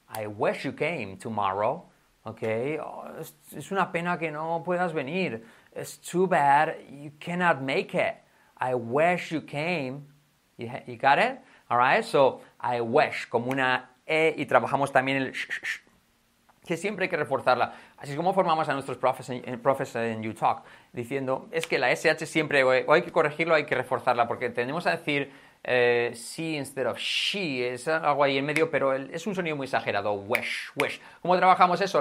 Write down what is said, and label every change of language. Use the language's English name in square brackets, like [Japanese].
[English] I wish you came tomorrow. ¿Ok? [Spanish] Oh, es una pena que no puedas venir. [English] It's too bad you cannot make it. I wish you came. You got it? All right? So, I wish, [Spanish] como una E, y trabajamos también el sh, sh, sh, que siempre hay que reforzarla. Así es como formamos a nuestros profes en UTalk, diciendo, es que la SH siempre, o hay que corregirlo, hay que reforzarla, porque tendemos a decir sí [English] instead of she, [Spanish] es algo ahí en medio, pero es un sonido muy exagerado, [English] wish, wish. [Spanish] ¿Cómo trabajamos eso?